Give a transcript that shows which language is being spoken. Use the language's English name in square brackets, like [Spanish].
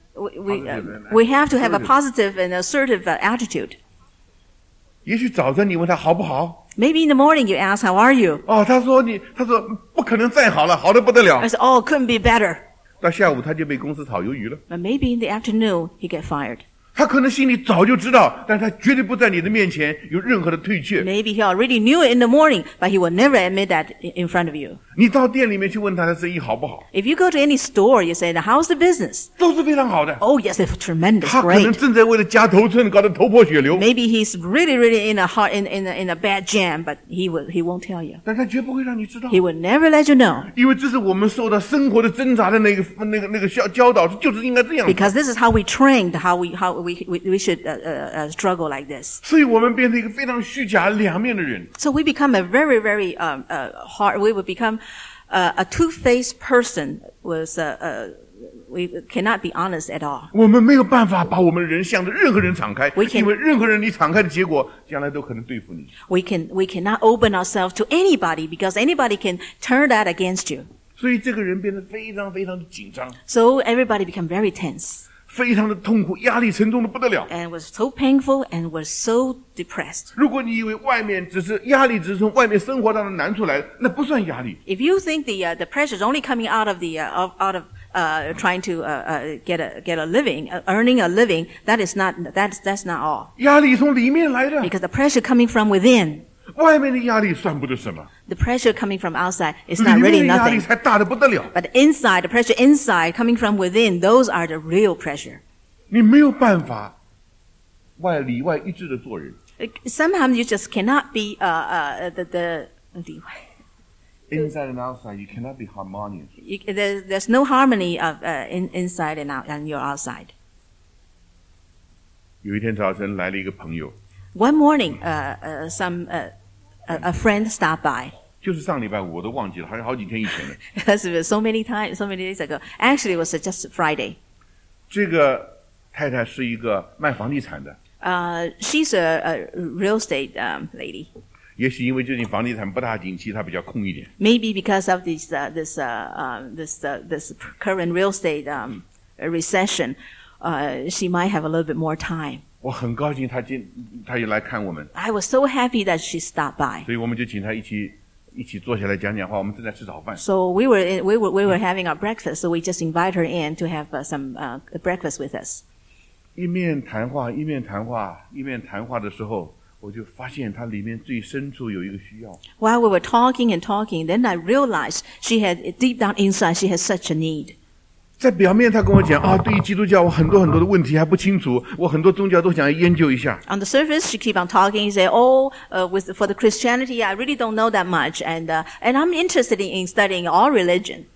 [English] We have to have a positive and assertive attitude. [Chinese] 也许早晨你问他好不好 [English] Maybe in the morning you ask how are you、 [Chinese] 哦、他说不可能再好了好得不得了 [English] I said oh couldn't be better [Chinese] 到下午他就被公司炒鱿鱼了 [English] But maybe in the afternoon he get fired [Chinese] 他可能心里早就知道但他绝对不在你的面前有任何的退却 [English] Maybe he already knew it in the morning but he will never admit that in front of you [Chinese] 你到店里面去问他的生意好不好。 [English] If you go to any store, you say, how's the business? [Chinese] 都是非常好的。 [English] Oh, yes, it's tremendous, great. [Chinese] 他可能正在为了家头寸搞得头破血流。 [English] Maybe he's really, really in a hard, in a bad jam, but he won't tell you. [Chinese] 但他绝不会让你知道。 [English] He would never let you know. [Chinese] 因为这是我们受到生活的挣扎的那个教导，就是应该这样。 [English] Because this is how we trained, how we should, struggle like this. [Chinese] 所以我们变成一个非常虚假两面的人。 [English] So we become a very, very, hard, we would become,a two-faced person was, we cannot be honest at all. [Chinese] 我们没有办法把我们人向着任何人敞开，因为任何人你敞开的结果，将来都可能对付你。 [English] We cannot open ourselves to anybody because anybody can turn that against you. [Chinese] 所以这个人变得非常非常的紧张。 [English] So everybody became very tense. [Chinese] 非常的痛苦，压力沉重的不得了。 [English] And was so painful and was so depressed. [Chinese] 如果你以为外面只是压力，只是从外面生活当中难出来，那不算压力。 [English] If you think the pressure is only coming out of trying to get a living, earning a living, that's not all. [Chinese] 压力从里面来的。 [English] Because the pressure coming from within. [Chinese] 外面的压力算不得什么。 [English] The pressure coming from outside is not really nothing. [Chinese] 里面的压力才大得不得了。 [English] But inside, the pressure inside coming from within, those are the real pressure. [Chinese] 你没有办法外里外一致的做人。 [English] Somehow you just cannot be the inside and outside. You cannot be harmonious. There's no harmony of inside and out and your outside. [Chinese] 有一天早晨来了一个朋友。 [English] One morning, a friend stopped by. [Chinese] 就是上礼拜五，我都忘记了，还是好几天以前的。 [English] That's been so many times, so many days ago. Actually, it was just Friday. [Chinese] 这个太太是一个卖房地产的。 [English] She's a real estate lady. [Chinese] 也许因为最近房地产不大景气，她比较空一点。 [English] Maybe because of this current real estate recession, she might have a little bit more time. [Chinese] 我很高兴她也来看我们。 [English] I was so happy that she stopped by. [Chinese] 所以我们就请她一起坐下来讲讲话。我们正在吃早饭。 [English] So we were having our breakfast. So we just invite her in to have some breakfast with us. [Chinese] 一面谈话，一面谈话，一面谈话的时候，我就发现她里面最深处有一个需要。 [English] While we were talking and talking, then I realized she had deep down inside she has such a need. [Chinese] 在表面，她跟我讲啊，对于基督教，我很多很多的问题还不清楚，我很多宗教都想要研究一下。 [English] On the surface, she keep on talking. She say, "Oh, for the Christianity, I really don't know that much, and I'm interested in studying all religion."